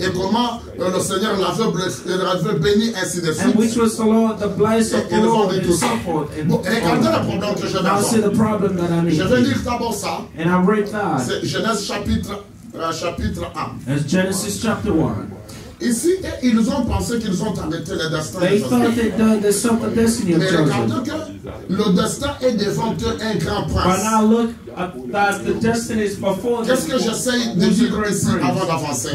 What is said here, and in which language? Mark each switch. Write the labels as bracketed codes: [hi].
[fr] Et comment le Seigneur l'avait béni ainsi de suite. [en] And which was the Lord, the blessing of the Lord, and so forth. [fr] Regardez le problème que je vais avoir. [en] The problem that I need. [fr] Je vais lire d'abord ça. [en] And I read that. [fr] C'est Genèse chapitre 1. [en] As Genesis chapter 1. [fr] Ici, ils ont pensé qu'ils ont arrêté le destin de Joseph. [en] They saw the destiny of Joseph. [fr] Mais regardez que le destin est devant eux un grand prince. [en] But now look that the destiny is before them. [fr] Qu'est-ce que j'essaie de dire ici avant d'avancer?